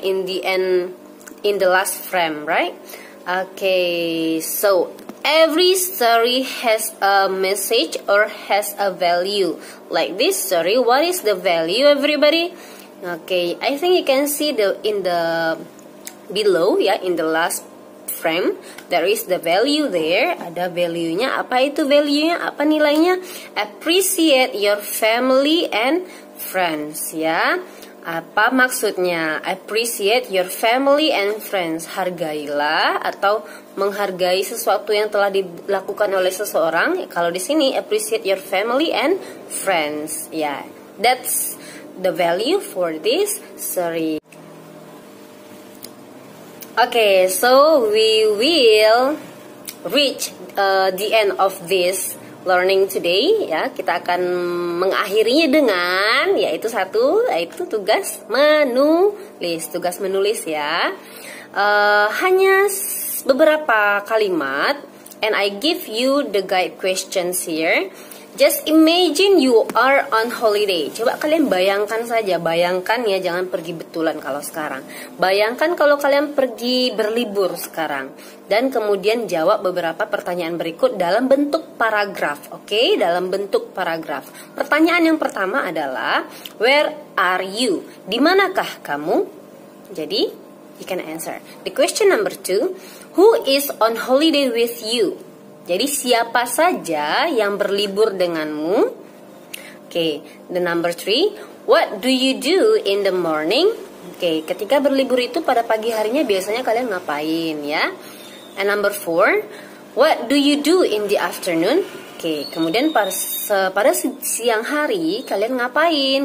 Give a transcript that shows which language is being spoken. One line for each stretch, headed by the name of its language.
English: In the last frame, right? Okay, so every story has a message or has a value. Like this story, what is the value, everybody? Okay, I think you can see in the last frame, there is the value there.
Indonesian: Ada value-nya, apa itu value-nya, apa nilainya?
English: Appreciate your family and friends,
Indonesian: ya. Apa maksudnya?
English: Appreciate your family and friends.
Indonesian: Hargailah atau menghargai sesuatu yang telah dilakukan oleh seseorang. Kalau di sini,
English: appreciate your family and friends. Yeah, that's the value for this story. Okay, so we will reach the end of this learning today, ya.
Indonesian: Kita akan mengakhirinya dengan yaitu tugas menulis. Tugas menulis, ya. Hanya beberapa kalimat,
English: and I give you the guide questions here. Just imagine you are on holiday.
Indonesian: Coba kalian bayangkan saja, bayangkan ya, jangan pergi betulan kalau sekarang. Bayangkan kalau kalian pergi berlibur sekarang. Dan kemudian jawab beberapa pertanyaan berikut dalam bentuk paragraf, oke? Dalam bentuk paragraf. Pertanyaan yang pertama adalah,
English: where are you?
Indonesian: Di manakah kamu? Jadi,
English: you can answer. The question number 2, who is on holiday with you?
Indonesian: Jadi siapa saja yang berlibur denganmu?
English: Okay, the number 3, what do you do in the morning?
Indonesian: Okay, ketika berlibur itu pada pagi harinya biasanya kalian ngapain, ya?
English: And number 4, what do you do in the afternoon?
Indonesian: Okay, kemudian pada siang hari kalian ngapain?